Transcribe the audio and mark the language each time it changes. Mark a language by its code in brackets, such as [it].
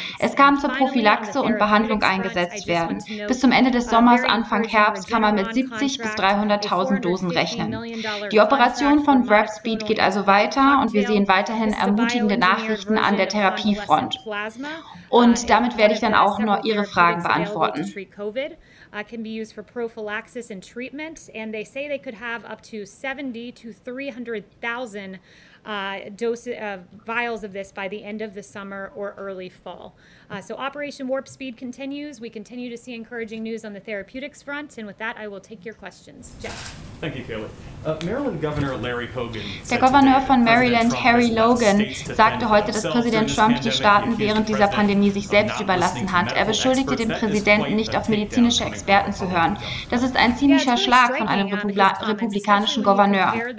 [de] Es kann zur Prophylaxe und Behandlung eingesetzt werden. Bis zum Ende des Sommers, Anfang Herbst, kann man mit 70.000 bis 300.000 Dosen rechnen. Die Operation von VapSpeed geht also weiter und wir sehen weiterhin ermutigende Nachrichten an der Therapiefront. Und damit werde ich dann auch nur Ihre Fragen beantworten. [en] Can be used for prophylaxis and treatment, and they say they could have up to 70 to 300,000 doses of vials of this by the end of the summer or early fall. So Operation Warp Speed continues. We continue to see encouraging news on the therapeutics front, and with that, I will take your questions. Jeff. Thank you, Kayleigh. [de] Der Gouverneur von Maryland, Harry Logan, sagte heute, dass Präsident Trump die Staaten während dieser Pandemie sich selbst überlassen hat. Er beschuldigte den Präsidenten, nicht auf medizinische Experten zu hören. Das ist ein ziemlicher Schlag von einem republikanischen Gouverneur.